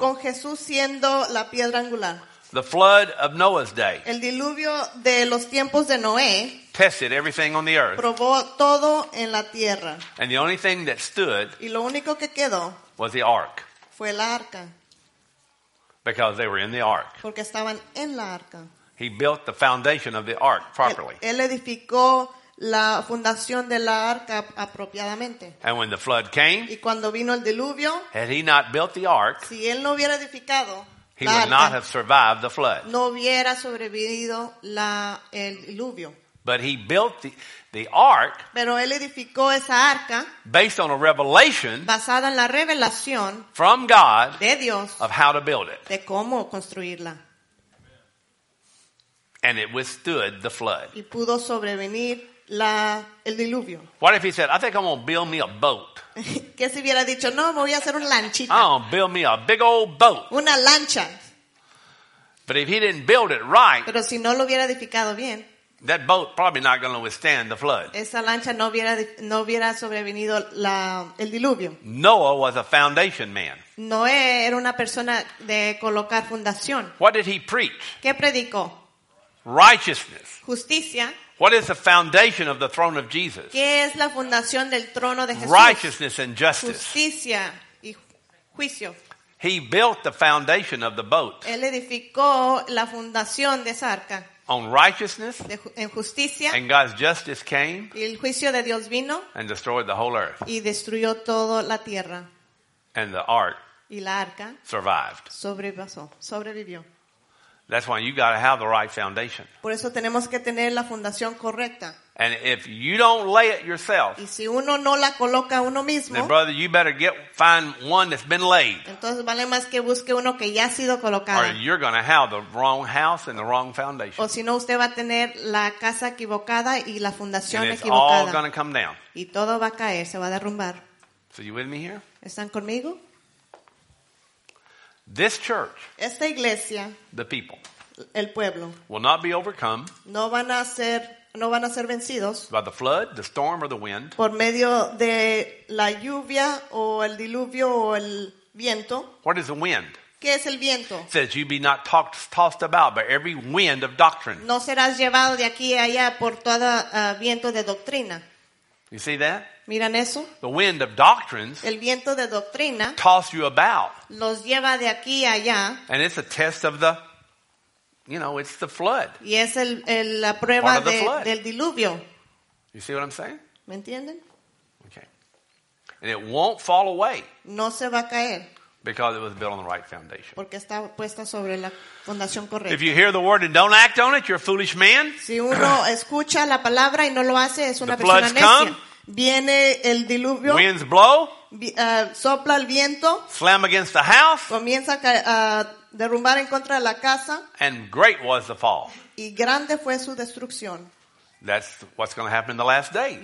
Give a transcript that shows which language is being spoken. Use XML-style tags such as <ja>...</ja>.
<es>Con Jesús siendo la piedra angular.</es> <en>The flood of Noah's day.</en> <es>El diluvio de los tiempos de Noé.</es> <en>Tested everything on the earth.</en> <es>Probó todo en la tierra.</es> <en>And the only thing that stood.</en> <es>Y lo único que quedó.</es> <en>Was the ark.</en> <es>Fue la arca.</es> <en>Because they were in the ark.</en> <es>Porque estaban en la arca.</es> <en>He built the foundation of the ark properly.</en> <es>Él edificó la fundación de la arca apropiadamente.</es> <en>And when the flood came.</en> <es>Y cuando vino el diluvio.</es> <en>Had he not built the ark.</en> <es>Si él no hubiera edificado.</es> <en>He would not have survived the flood.</en> <es>No hubiera sobrevivido la, el diluvio.</es> <en>But he built the ark.</en> <es>Pero él edificó esa arca.</es> <en>Based on a revelation.</en> <es>Basada en la revelación.</es> <en>From God.</en> <es>De Dios.</es> <en>Of how to build it.</en> <es>De cómo construirla.</es> <en>And it withstood the flood.</en> <es>Y pudo sobrevenir la, el diluvio.</es> <en>What if he said, I think I'm going to build me a boat.</en> <es>¿Qué si hubiera dicho? No, me voy a hacer un lanchito.</es> <en>Oh, build me a big old boat.</en> <es>Una lancha.</es> <en>But if he didn't build it right,</en> <es>pero si no lo hubiera edificado bien,</es> <en>that boat probably not going to withstand the flood.</en> <es>Esa lancha no hubiera sobrevenido la, el diluvio.</es> <en>Noah was a foundation man.</en> <es>Noé era una persona de colocar fundación.</es> <en>What did he preach?</en> <es>¿Qué predicó?</es> <en>Righteousness.</en> <es>Justicia.</es> <en>What is the foundation of the throne of Jesus?</en> <es>¿Qué es la fundación del trono de Jesús?</es> <en>Righteousness and justice.</en> <es>Justicia y juicio.</es> <en>He built the foundation of the boat.</en> <es>Él edificó la fundación de esa arca.</es> <en>On righteousness.</en> <es>En justicia.</es> <en>And God's justice came.</en> <es>Y el juicio de Dios vino.</es> <en>And destroyed the whole earth.</en> <es>Y destruyó toda la tierra.</es> <en>And the ark.</en> <es>Y la arca.</es> <en>Survived.</en> <es>Sobrevivió.</es> <en>That's why you got to have the right foundation.</en> <es>Por eso tenemos que tener la fundación correcta.</es> <en>And if you don't lay it yourself,</en> <es>y si uno no la coloca uno mismo,</es> <en>then brother, you better find one that's been laid.</en> <es>Entonces vale más que busque uno que ya ha sido colocado.</es> <en>Or you're going to have the wrong house and the wrong foundation.</en> <es>O si no, usted va a tener la casa equivocada y la fundación</es> <en>and it's</en> <es>equivocada.</es> <en>All going to come down.</en> <es>Y todo va a caer, se va a derrumbar.</es> <en>So you with me here?</en> <es>¿Están conmigo?</es> <en>This church,</en> <es>esta iglesia,</es> <en>the people,</en> <es>el pueblo,</es> <en>will not be overcome.</en> <es>No van a ser vencidos</es> <en>by the flood, the storm, or the wind.</en> <es>Por medio de la lluvia o el diluvio o el viento.</es> <en>What is the wind?</en> <es>¿Qué es el viento?</es> <en>It says you be not tossed about by every wind of doctrine.</en> <es>No serás llevado de aquí a allá por todo viento de doctrina.</es> <en>You see that?</en> <es>¿Miran eso?</es> <en>The wind of doctrines,</en> <es>el viento de doctrina,</es> <en>toss you about.</en> <es>Los lleva de aquí a allá.</es> <en>And it's a test of the, you know, it's the flood.</en> <es>Y es la prueba</es> <en>part of the flood.</en> <es>Del diluvio.</es> <en>You see what I'm saying?</en> <es>¿Me entienden?</es> <en>Okay. And it won't fall away.</en> <es>No se va a caer.</es> <en>Because it was built on the right foundation.</en> <es>Porque está puesta sobre la fundación correcta.</es> <en>If you hear the word and don't act on it, you're a foolish man.</en> <es>Si uno escucha la palabra y no lo hace, es una</es> <en>the</en> <es>persona</es> <en>floods</en> <es>necia.</es> <en>Come.</en> <es>Viene el diluvio.</es> <en>Winds blow.</en> <es>Sopla el viento.</es> <en>Slam against the house.</en> <es>Comienza a derrumbar en contra de la casa.</es> <en>And great was the fall.</en> <es>Y grande fue su destrucción.</es> <en>That's what's going to happen in the last days.</en>